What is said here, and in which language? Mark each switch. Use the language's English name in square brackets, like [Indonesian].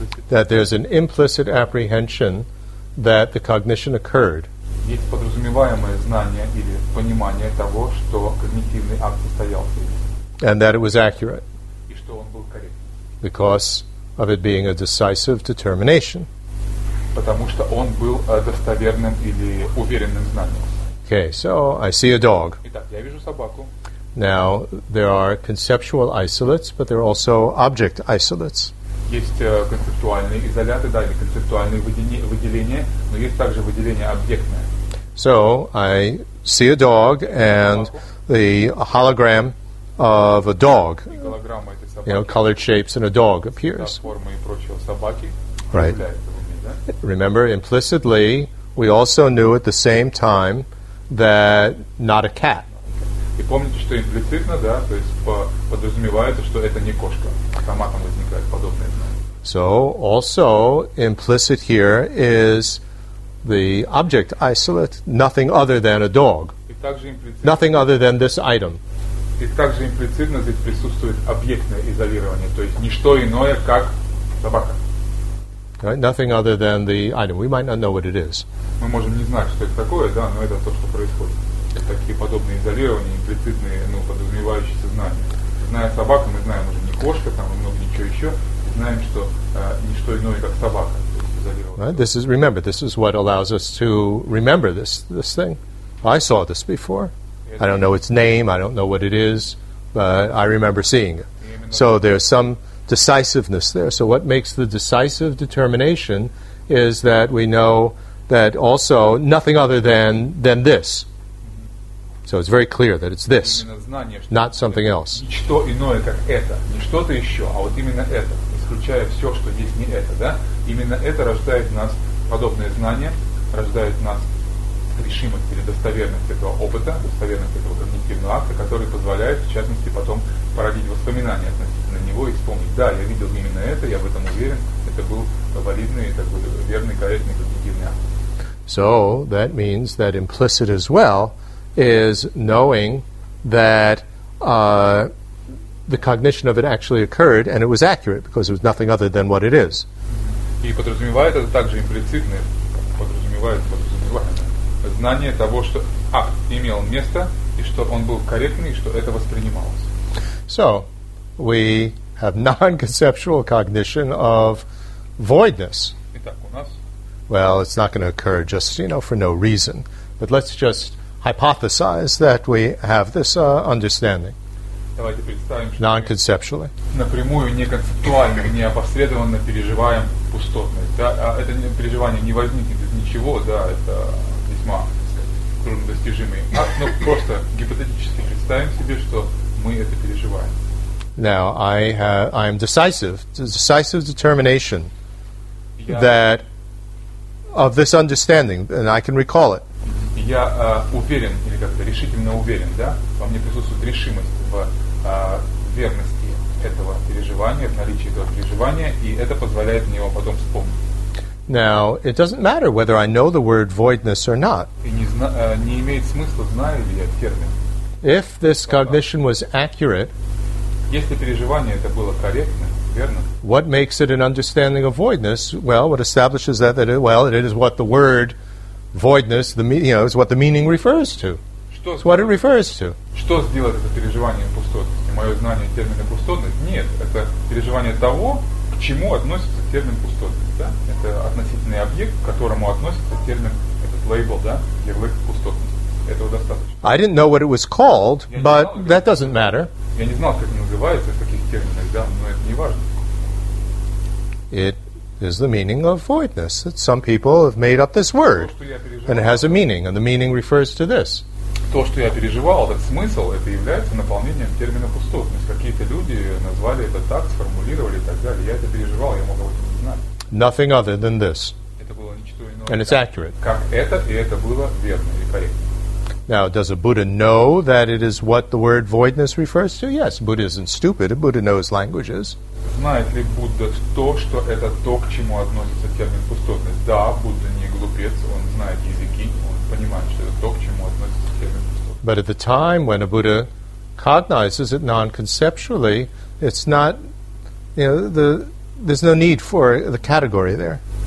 [English] that there's an implicit apprehension that the cognition occurred. [Russian] Есть подразумеваемое знание или понимание того, что когнитивный акт состоялся. [English] And that it was accurate. [Russian] И что он был корректен. [English] Because of it being a decisive determination. [Russian] Потому что он был достоверным или уверенным знанием. [English] Okay, so I see a dog. [Russian] Итак, я вижу собаку. [English] Now, there are conceptual isolates, but there are also object isolates. [Russian] Есть концептуальные изоляты, да, или концептуальные выделения, но есть также выделение объектное. [English] So, I see a dog, and the hologram of a dog, you know, colored shapes in a dog appears. [Russian] Формы и прочего собаки. [English] Right. Remember, implicitly, we also knew at the same time that not a cat. [Russian] И помните, что имплицитно, да, то есть подразумевается, что это не кошка. Сама там возникает подобное знание. [English] So, also, implicit here is the object isolate, nothing other than a dog. [Russian] И также имплицитно. [English] Nothing other than this item. [Russian] И также имплицитно здесь присутствует объектное изолирование, то есть ничто иное, как собака. [English] Right? Nothing other than the item. We might not know what it is. [Russian] Мы можем не знать, что это такое, да, но это то, что происходит. Такие подобные изолирования, имплицитные, ну, подразумевающиеся знания. Зная собаку, мы знаем уже не кошка, там, много ничего еще, и знаем, что ничто иное, как собака, то есть изолирована. [English] Right? This is, remember, this is what allows us to remember this thing. I saw this before. I don't know its name, I don't know what it is, but I remember seeing it. So there's some decisiveness there. So what makes the decisive determination is that we know that also nothing other than this. So it's very clear that it's this, not something else. [Russian] Ничто иное, как это. Не что-то еще, а вот именно это. Исключая все, что здесь не это, да? Именно это рождает в нас подобное знание, рождает в нас решимость или достоверность этого опыта, достоверность этого когнитивного акта, который позволяет, в частности, потом породить воспоминания относительно него и вспомнить, да, я видел именно это, я в этом уверен, это был валидный, такой верный, корректный когнитивный акт. [English] So that means that implicit as well is knowing that the cognition of it actually occurred and it was accurate because it was nothing other than what it is. [Russian] И подразумевает это также имплицитное, подразумевает знание того, что акт имел место и что он был корректный и что это воспринималось. [English] So, we have non-conceptual cognition of voidness. [Russian] Итак, у нас... [English] Well, it's not going to occur just, you know, for no reason. But let's just hypothesize that we have this understanding non-conceptually. [Russian] Напрямую, не концептуально, не опосредованно переживаем пустотность. Да? Это переживание не возникнет из ничего, да, это весьма, так сказать, труднодостижимый акт, но просто гипотетически представим себе, что мы это переживаем. [English] Now, I am decisive, decisive determination that of this understanding, and I can recall it. [Russian] Я уверен, или как-то решительно уверен, да, во мне присутствует решимость в верности этого переживания, в наличии этого переживания, и это позволяет мне его потом вспомнить. [English] Now, it doesn't matter whether I know the word voidness or not. [Russian] И не имеет смысла, знаю ли я термин. [English] If this cognition was accurate, [Russian] если переживание это было корректно, верно, [English] what makes it an understanding of voidness? Well, what establishes that it is what the word voidness, the meaning, you know, is what the meaning refers to. It's what it refers to. [Russian] Что сделает это переживание пустотности? Мое знание термина пустотность? Нет, это переживание того, к чему относится термин пустотность. Да? Это относительный объект, к которому относится термин, этот лейбл, да? Ярлык пустотность. Этого достаточно. [English] I didn't know what it was called, but that doesn't matter. [Russian] Я не знал, как это называется в таких терминах, да, но это не важно. [English] It is the meaning of voidness. That some people have made up this word. And it has a meaning, and the meaning refers to this. [Russian] То, что я переживал, этот смысл, это является наполнением термина пустотность. Какие-то люди назвали это так, сформулировали и так далее. Я это переживал, я мог об этом не знать. [English] Nothing other than this. [Russian] Это было ничто иное. [English] And it's accurate. [Russian] Как это, и это было верно или корректно. [English] Now, does a Buddha know that it is what the word voidness refers to? Yes, Buddha isn't stupid. A Buddha knows languages. [Russian] Знает ли Будда то, что это то, к чему относится термин пустотность? Да, Будда не глупец, он знает языки, он понимает, что это то, к чему относится термин пустотность. [English] But at the time when a Buddha cognizes it non-conceptually, it's not, you know, there's no need for the category there.